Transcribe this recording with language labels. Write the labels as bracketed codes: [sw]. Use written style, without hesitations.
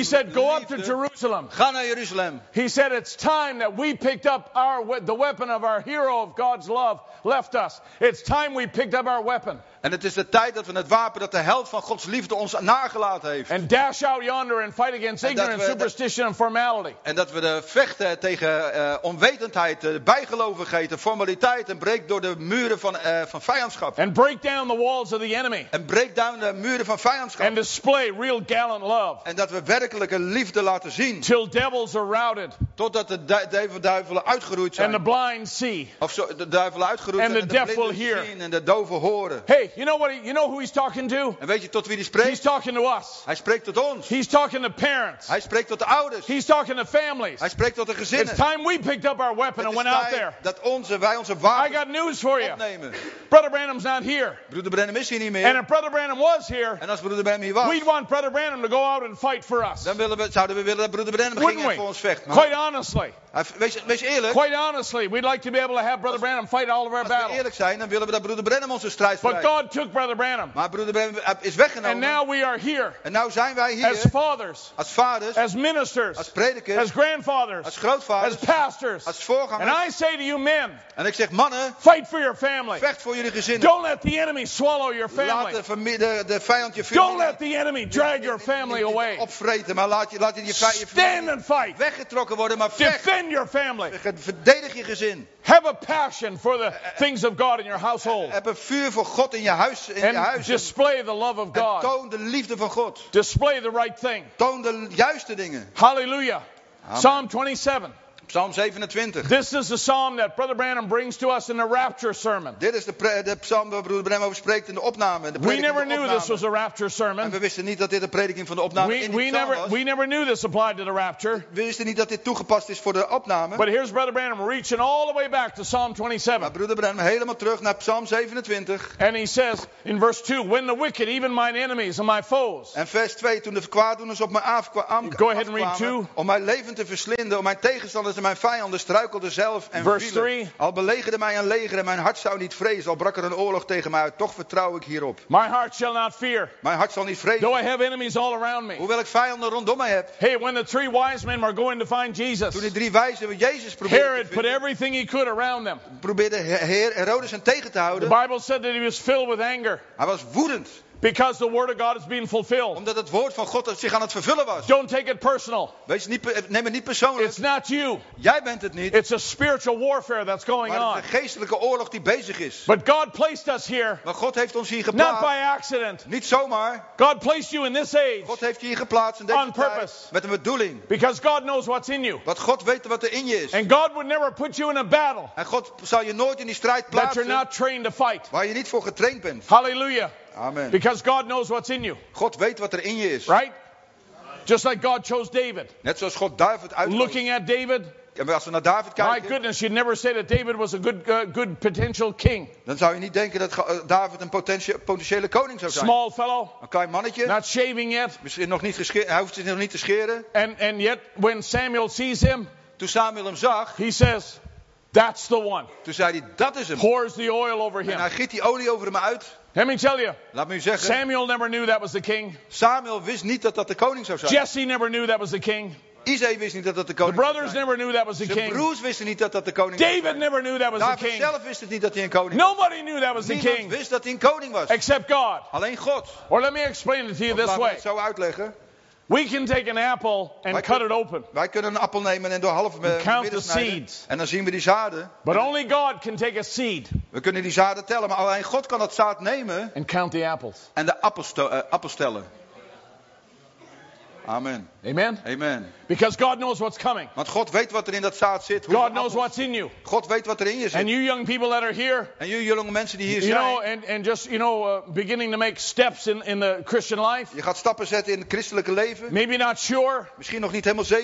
[en] He said go up to Jerusalem. [nl] Ga naar Jeruzalem. [en] He said it's time that we picked up the weapon of our hero of God's love left us. It's time we picked up our weapon. [nl] En het is de tijd dat we het wapen dat de held van Gods liefde ons nagelaten heeft. [en] And dash out yonder and fight against ignorance, superstition and formality. [nl] En dat we de vechten tegen onwetendheid, bijgelovigheid, formaliteit en breek door de muren van vijandschap. [en] And break down the walls of the enemy. [nl] En breek down de muren van vijandschap. [en] And display real gallant love. [nl] En dat we werkelijke liefde laten zien. [en] Till devils are routed. [nl] Totdat de duivelen uitgeroeid zijn. [en] And the blind see. [nl] Of zo, de duivelen uitgeroeid [en] and [nl] zijn [en] the [nl] en de blinden zien en de doven horen. [en] Hey, you know who he's talking to? [nl] En weet je tot wie die spreekt? [en] He's talking to us. [nl] Hij spreekt tot ons. [en] He's talking to parents. [nl] Hij spreekt tot de ouders. [en] He's talking to families. [nl] Hij spreekt tot de gezinnen. [en] It's time we picked up our weapon and went out there. [nl] Dat wij onze wapen. [en] I got news for you. [nl] Opnemen. [en] Brother Branham's not here. [nl] Broeder Branham is hier niet meer. [en] And if Brother Branham was here, [nl] en als Broeder Branham hier was, [en] we'd want Brother Branham to go out and fight for us. [nl] Dan zouden we willen dat Broeder Branham ging en voor ons vecht. Maar [en] quite honestly. [nl] Wees eerlijk. [en] Quite honestly, we'd like to be able to have Brother Branham fight all of our battles. [nl] Als we eerlijk zijn, dan willen we dat Broeder Branham onze strijd vecht. [en] But God took Brother Branham. [nl] Maar Broeder Branham is weggenomen. [en] And now we are here. [nl] En nu zijn wij hier. [en] As fathers. [nl] Als vaders. [en] As ministers. [nl] Als predikers. [en] As grandfathers. [nl] Als grootvaders. [en] As pastors. [nl] Als voorgangers. [en] And I say to you men. [nl] En ik zeg mannen. [en] Fight for your family. [nl] Vecht voor jullie gezinnen. [en] Don't let the enemy swallow your family. [nl] Laat de vijand je familie. [en] Don't let the enemy drag your family away. [nl] Opvreten, maar laat je je vrije familie. [en] Stand and fight. [nl] Weggetrokken worden, maar vecht. [en] Defend your family. [nl] Verdedig je gezin. [en] Have a passion for the things of God in your household. [nl] Heb een vuur voor God in je huis. [en] And display the love of God. [nl] En toon de liefde van God. [en] Display the right thing. [nl] Toon de juiste dingen. [en] Hallelujah. Amen. Psalm 27. [nl] Psalm 27. [en] This is the psalm that Brother Branham brings to us in the rapture sermon. [nl] Dit is de psalm waar Brother Branham over spreekt in de opname. De [en] we never knew this was a rapture sermon. [nl] En we wisten niet dat dit de prediking van de opname in die psalm was. [en] We never knew this applied to the rapture. [nl] We wisten niet dat dit toegepast is voor de opname. [en] But here's Brother Branham reaching all the way back to Psalm 27. [nl] Maar Brother Branham helemaal terug naar Psalm 27. [en] And he says in verse 2, when the wicked, even mine enemies and my foes. [nl] En vers 2, toen de kwaaddoeners op mij afkwamen. [en] Go ahead and read 2. [nl] Om mijn leven te verslinden, om mijn tegenstanders mijn vijanden struikelden zelf en vielen. Al belegerde mij een leger en mijn hart zou niet vrezen. Al brak er een oorlog tegen mij uit. Toch vertrouw ik hierop. [en] My heart shall not fear. [nl] Mijn hart zal niet vrezen. [en] Though I have enemies all around me. [nl] Hoewel ik vijanden rondom mij heb. [en] Hey, when the three wise men were going to find Jesus. [nl] Toen de drie wijzen met Jezus probeerden [en] Herod [nl] te vinden. [en] Put everything he could around them. [nl] Probeerde Herodes hen tegen te houden. [en] The Bible said that he was filled with anger. [nl] Hij was woedend. [en] Because the word of God is being fulfilled. [nl] Omdat het woord van God zich aan het vervullen was. [en] Don't take it personal. [nl] Neem het niet persoonlijk. [en] It's not you. [nl] Jij bent het niet. [en] It's a spiritual warfare that's going on. [nl] Maar het is een geestelijke oorlog die bezig is. [en] But God placed us here. [nl] Maar God heeft ons hier geplaatst. [en] Not by accident. [nl] Niet zomaar. [en] God placed you in this age. [nl] God heeft je hier geplaatst in deze [en] on purpose. [nl] Tijd met een bedoeling. [en] Because God knows what's in you. [nl] Want God weet wat er in je is. [en] And God would never put you in a battle. [nl] En God zal je nooit in die strijd plaatsen. [en] That you're not trained to fight. [nl] Waar je niet voor getraind bent. [en] Hallelujah. Amen. Because God knows what's in you. [nl] God weet wat er in je is. [en] Right? Just like God chose David. [nl] Net zoals God David uitkoos. [en] Looking at David. [nl] Als we naar David kijken. [en] My goodness, you'd never say that David was a good potential king. [nl] Dan zou je niet denken dat David een potentiële koning zou zijn. [en] Small fellow. [nl] Een klein mannetje. [en] Not shaving yet. [nl] Misschien nog niet gescheerd. Hij hoeft zich nog niet te scheren. [en] And yet, when Samuel sees him. [nl] Toen Samuel hem zag. [en] He says. That's the one. [nl] Toen zei hij, dat is hem. [en] Pours the oil over him. [nl] En hij giet die olie over hem uit. [en] Let me tell you. [nl] Laat me u zeggen. [en] Samuel never knew that was the king. [nl] Samuel wist niet dat dat de koning zou zijn. [en] Jesse never knew that was the king. [nl] Isaï wist niet dat dat de koning. [en] The brothers never knew that was the king. [nl] Zijn broers wisten niet dat dat de koning was. [en] David never knew that was the king. [nl] David zelf wist het niet dat hij een koning was. [en] Nobody knew that was the king. [nl] Niemand wist dat hij een koning was. [en] Except God. [nl] Alleen God. [en] Or let me explain it to you this way. [nl] Laat me het zo uitleggen. [en] We can take an apple and cut it open. [nl] Wij kunnen een appel nemen en door half midden snijden. En dan zien we die zaden. [en] But only God can take a seed. [nl] We kunnen die zaden tellen, maar alleen God kan dat zaad nemen. [en] And count the apples. [nl] En de appels tellen. [en] Amen. Amen. Amen. Because God knows what's coming. [nl] Want God weet wat er in dat zaad zit. [en] God knows what's in you. [nl] God weet wat er in je zit. [en] And you young people that are here. [nl] En jullie jonge mensen die hier zijn. [en] And just beginning to make steps in the Christian life. [nl] Je gaat stappen zetten in het christelijke leven. [en] Maybe not sure. [nl] Misschien nog niet helemaal zeker.